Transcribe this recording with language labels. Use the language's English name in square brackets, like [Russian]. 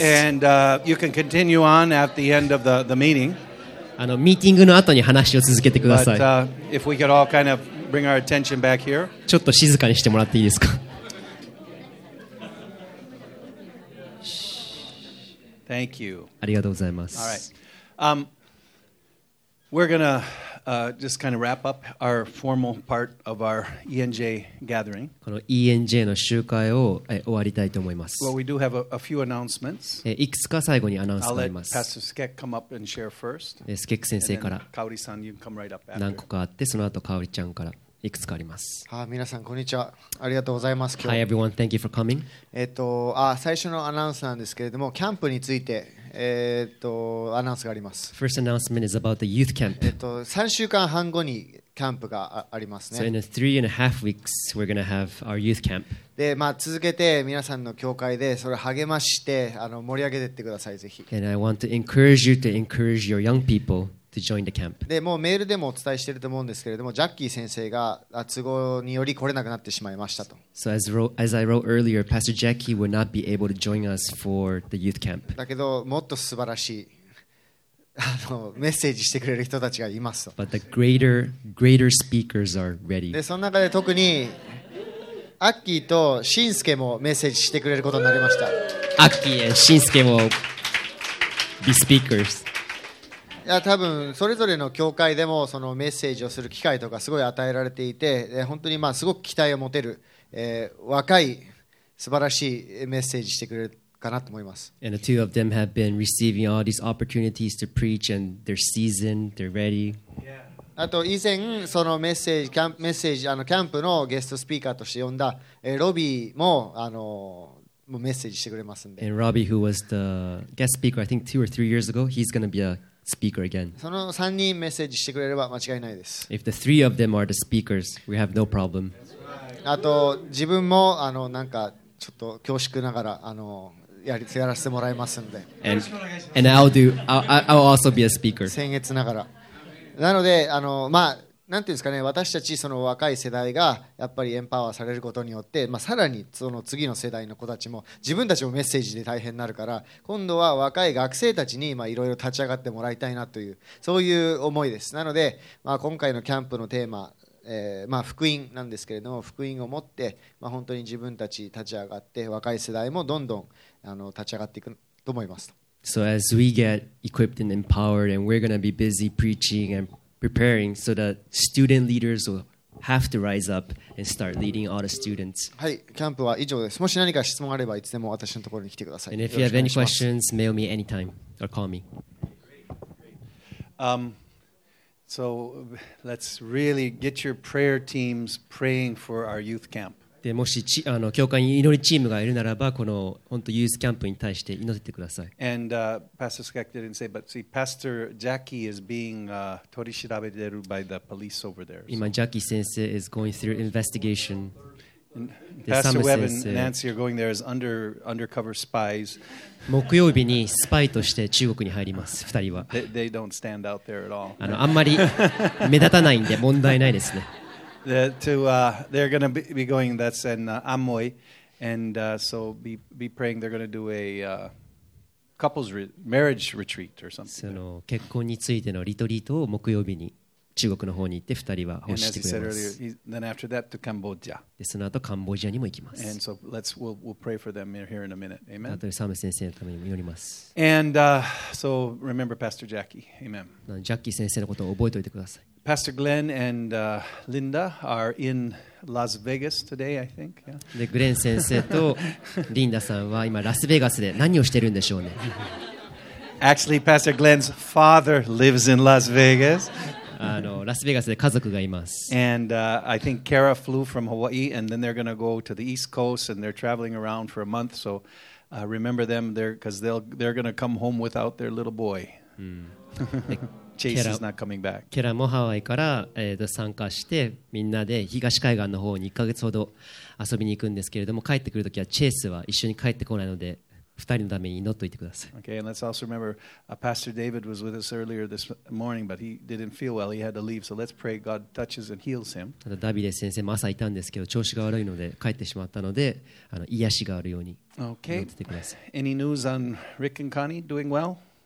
[English] And, you can continue on at the end of the meeting. [Japanese] ミーティングの後に話を続けてください。 [English] But, if we could all kind of bring our attention back here. [Japanese] ちょっと静かにしてもらっていいですか。 [English] Thank you. [Japanese] ありがとうございます。 [English] All right. We're gonna, just kind of wrap up our formal part of our ENJ gathering. [Japanese] この ENJ の集会を終わりたいと思います。 [English] Well, we do have a few announcements. [Japanese] いくつか最後にアナウンスがあります。 [English] I'll let Pastor Skek come up and share first. [Japanese] Skek 先生から。 [English] Kaori-san, you can come right up after. [Japanese] 何個かあって、その後Kaori ちゃんから。いくつかあります。ああ、皆さんこんにちは。ありがとうございます。 [English] 今日 Hi everyone, thank you for coming. [Japanese] 最初のアナウンスなんですけれども、キャンプについて、アナウンスがあります。 [English] First announcement is about the youth camp. [Japanese] 3週間半後にキャンプがありますね。 [English] So in a 3.5 weeks, we're gonna have our youth camp. [Japanese] で、まあ続けて皆さんの教会でそれ励まして盛り上げてってください、ぜひ。 [English] And I want to encourage you to encourage your young people. To join the camp. [Japanese] でもうメールでもお伝えしていると思うんですけれども、ジャッキー先生が都合により来れなくなってしまいましたと。 [English] So as I wrote earlier, Pastor Jackie would not be able to join us for the youth camp. [Japanese] だけどもっと素晴らしいメッセージしてくれる人たちがいますと。 [English] But the greater speakers are ready. [Japanese] でその中で特にアッキーとシンスケもメッセージしてくれることになりました。アッキーやシンスケも [English] be speakers. [Japanese] いや多分それぞれの教会でもそのメッセージをする機会とかすごい与えられていて、本当にまあすごく期待を持てる、若い素晴らしいメッセージしてくれるかなと思います。 [English] And the two of them have been receiving all these opportunities to preach and they're seasoned, they're ready. [Japanese] あと以前そのメッセージ、キャンプのゲストスピーカーとして呼んだ、ロビーももうメッセージしてくれますんで。 [English] And Robbie, who was the guest speaker, I think 2 or 3 years ago, he's going to be aSpeaker again. [Japanese] その3人メッセージしてくれれば間違いないです。 [English] If the three of them are the speakers, we have no problem. [Japanese] あと自分もなんかちょっと恐縮ながらやらせてもらいますんで。 [English] And I'll also be a speaker. [Japanese] 僭越ながら。なのでまあなんていうんですかね、私たちその若い世代がやっぱりエンパワーされることによって、まあ、さらにその次の世代の子たちも自分たちもメッセージで大変になるから、今度は若い学生たちにいろいろ立ち上がってもらいたいなというそういう思いです。なので、まあ、今回のキャンプのテーマ、まあ、福音なんですけれども、福音を持って、まあ、本当に自分たち立ち上がって若い世代もどんどん立ち上がっていくと思います。 [English] So as we get equipped and empowered and we're going to be busy preaching andPreparing so that student leaders will have to rise up and start leading all the students. [Japanese] はい、キャンプは以上です。もし何か質問あればいつでも私のところに来てください。 [English] And if you have any questions, mail me anytime or call me. So let's really get your prayer teams praying for our youth camp. [Japanese] でもし教会に祈りチームがいるならば、この本当ユースキャンプに対して祈っ てください。 [English] And Pastor Skek didn't say, but see, Pastor Jackie is being [Japanese] 取り調べてる [English] by the police over there. 今、ジャッキー先生 is going through investigation. Pastor Webb and Nancy are going there as undercover spies. [Japanese] 木曜日にスパイとして中国に入ります、二人は。 [English] They don't stand out there at all. [Japanese] あんまり目立たないんで問題ないですね。 [English] They're going to be going. That's in Amoy, and so be praying. They're going to do a couples marriage retreat or something. [Japanese] その結婚についてのリトリートを木曜日に中国の方に行って二人は欲してくれます。 [English] And as he said earlier, then after that to Cambodia. [Japanese] でその後カンボジアにも行きます。 [English] And so we'll pray for them here in a minute. Amen. [Japanese] あとサム先生のために祈ります。 [English] And so remember Pastor Jackie. Amen. [Japanese] ジャッキー先生のことを覚えておいてください。 [English] Pastor Glenn and Linda are in Las Vegas today, I think. [Japanese] で、グレン先生とリンダさんは今ラスベガスで何をしてるんでしょうね。 [English] Actually, Pastor Glenn's father lives in Las Vegas. [Japanese] ラスベガスで家族がいます。 [English] And I think Kara flew from Hawaii, and then they're going to go to the East Coast, and they're traveling around for a month. So remember them there, because they're going to come home without their little boy. Chase is not coming back. [Japanese] ケラもハワイから参加してみんなで東海岸の方に1ヶ月ほど遊びに行くんですけれども、帰ってくるときはチェイスは一緒に帰ってこないので人のために祈っといてください。 [English] Okay, and let's also remember, Pastor David was with us earlier this morning, but he didn't feel well. He had to leave. So let's pray God touches and heals him. [Japanese] ダビデ先生も朝いたんですけど、調子が悪いので帰ってしまったので、癒しがあるように祈っててください。 [English] Okay. Any news on Rick and Connie doing well?